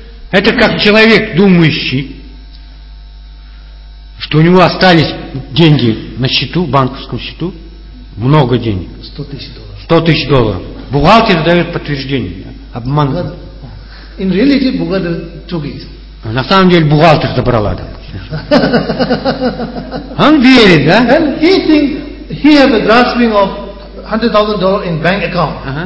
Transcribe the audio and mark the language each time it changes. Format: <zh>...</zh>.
<ru>это как человек думающий. Что у него остались деньги на счету, банковском счету, много денег. $100,000. Бухгалтер дает подтверждение. Обман.</ru> <en>In reality, бухгалтер took it.</en> <ru>На самом деле бухгалтер забрала, да. Он верит, да?</ru> <en>And he think he have a grasping of $100,000 in bank account.</en>